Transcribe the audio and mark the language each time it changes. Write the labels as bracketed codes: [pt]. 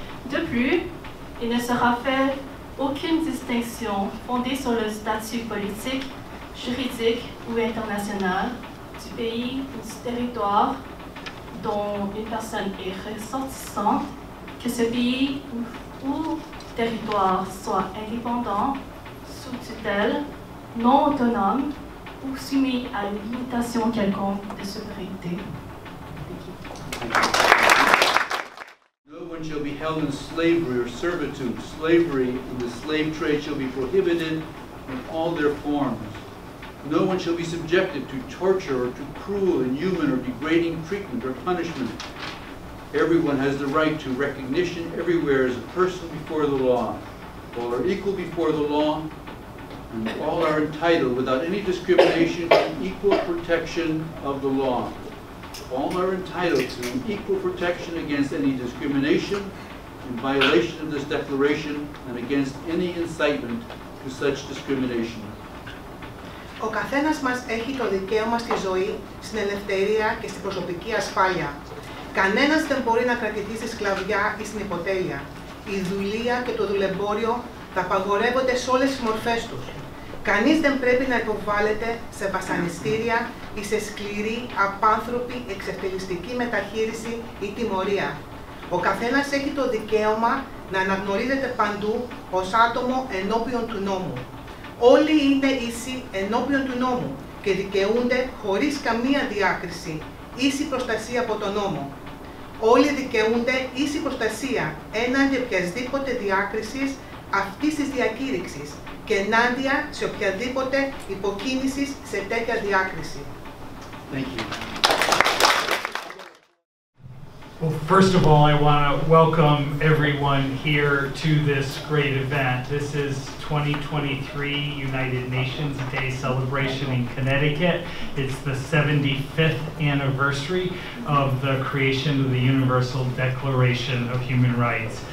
[fr] De plus, il ne sera fait aucune distinction fondée sur le statut politique, juridique ou international du pays ou du territoire dont une personne est ressortissante, que ce pays ou territoire soit indépendant, sous tutelle, non autonome ou soumis à une limitation quelconque de souveraineté. [en] No one shall be held in slavery or servitude. Slavery and the slave trade shall be prohibited in all their forms. No one shall be subjected to torture or to cruel, inhuman, or degrading treatment or punishment. Everyone has the right to recognition everywhere as a person before the law. All are equal before the law, and all are entitled without any discrimination to equal protection of the law. All are entitled to equal protection against any discrimination and violation of this declaration and against any incitement to such discrimination. [el] Ο καθένας μας έχει το δικαίωμα στη ζωή, στην ελευθερία και στην προσωπική ασφάλεια. Κανένας δεν μπορεί να κρατηθεί στη σκλαβιά ή στην υποτέλεια. Η δουλεία και το δουλεμπόριο θα απαγορεύονται σε όλες τις μορφές τους. Κανείς δεν πρέπει να υποβάλλεται σε βασανιστήρια ή σε σκληρή, απάνθρωπη, εξευτελιστική μεταχείριση ή τιμωρία. Ο καθένας έχει το δικαίωμα να αναγνωρίζεται παντού ως άτομο ενώπιον του νόμου. Όλοι είναι ίσοι ενώπιον του νόμου και δικαιούνται χωρίς καμία διάκριση ίση προστασία από τον νόμο. Όλοι δικαιούνται ίση προστασία έναντι οποιασδήποτε διάκρισης αυτής της διακήρυξης και ενάντια σε οποιαδήποτε υποκίνηση σε τέτοια διάκριση. [en] Thank you. Well, first of all, I want to welcome everyone here to this great event. This is 2023 United Nations Day celebration in Connecticut. It's the 75th anniversary of the creation of the Universal Declaration of Human Rights.